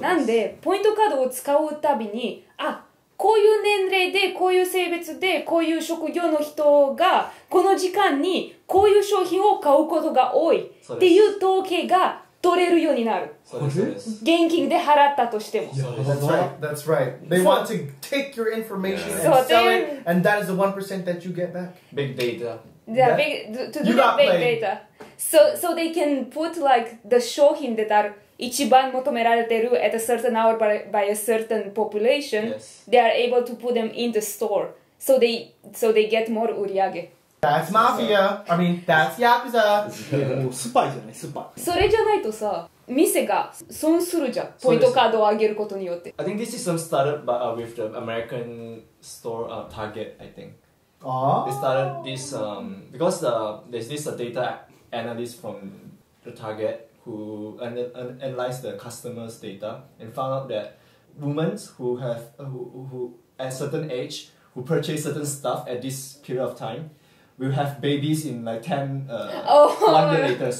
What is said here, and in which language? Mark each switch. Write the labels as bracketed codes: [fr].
[ja] なんでポイントカードを使うたびに、あ、こういう年齢でこういう性別でこういう職業の人がこの時間にこういう商品を買うことが多いっていう統計が取れるようになる。そうです。現金で払ったとしても。 [en] That's right. That's right. They want to take your information and sell it, and that is the 1% that you get back. Big data. Yeah, big, to do that big data. So they can put like the 商品that are [ja] 一番求められてる [en] at a certain hour by a certain population. Yes. They are able to put them in the store, so they get more 売り上げ。 That's mafia. I mean, that's Yakuza. [ja] スパイじゃない、スパイ。それじゃないとさ、店が損するじゃん、ポイントカードを上げることによって。 [en] I think this is some startup but, with the American store Target, I think. Oh. They started this, because there's this data analyst from the Target who analyzed the customer's data and found out that women who have, who at certain age, who purchase certain stuff at this period of time,We'll have babies in like 10, one day later.